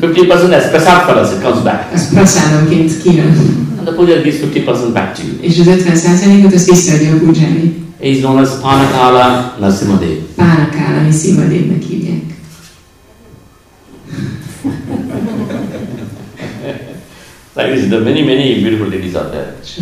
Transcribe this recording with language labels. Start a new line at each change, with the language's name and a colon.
English: 50% as prasad for us, it comes back.
Hungarian: Az prasadomként kijön.
English: And the pujari gives 50% back to you.
Hungarian: És az 50%-ot az visszaadja a pujari.
English: He is known as Panakala Narasimhadev.
Hungarian: Panakala Narasimhadevnek hívják.
English: Like this, there are many beautiful ladies out there.